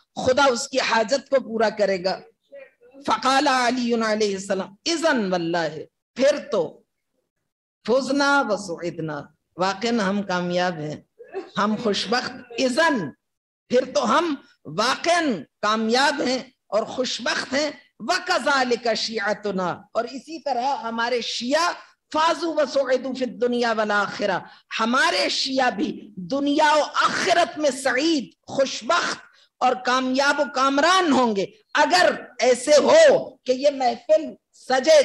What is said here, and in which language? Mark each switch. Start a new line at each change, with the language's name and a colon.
Urdu: خدا اس کی حاجت کو پورا کرے گا
Arabic: فَقَالَ عَلِيٌ عَلَيْهِ السَّلَ فوزنا وسعدنا
Urdu: واقعا ہم کامیاب ہیں ہم خوشبخت اذن پھر تو ہم واقعا کامیاب ہیں اور خوشبخت ہیں
Arabic: وَكَذَلِكَ شِيعَتُنَا
Urdu: اور اسی طرح ہمارے شیعہ
Arabic: فازو وسعدو في الدنيا والآخرة.
Urdu: ہمارے شیعہ بھی دنیا و آخرت میں سعید خوشبخت اور کامیاب و کامران ہوں گے اگر ایسے ہو کہ یہ محفل سجے.